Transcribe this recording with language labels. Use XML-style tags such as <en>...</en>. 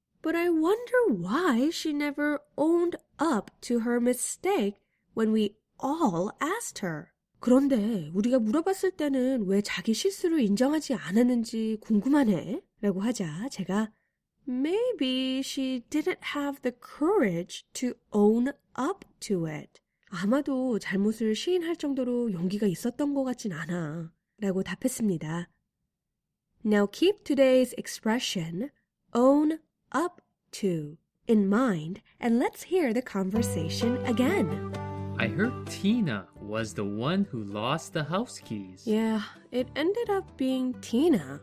<en>But I wonder why she never owned up to her mistake when we all asked her.</en> <ko>그런데 우리가 물어봤을 때는 왜 자기 실수를 인정하지 않았는지 궁금하네. 라고 하자 제가</ko> <en>Maybe she didn't have the courage to own up to it.</en> <ko>아마도 잘못을 시인할 정도로 용기가 있었던 것 같진 않아. 라고 답했습니다.</ko> <en>Now keep today's expression, own up to, in mind and let's hear the conversation again. I heard Tina was the one who lost the house keys. Yeah, it ended up being Tina.</en>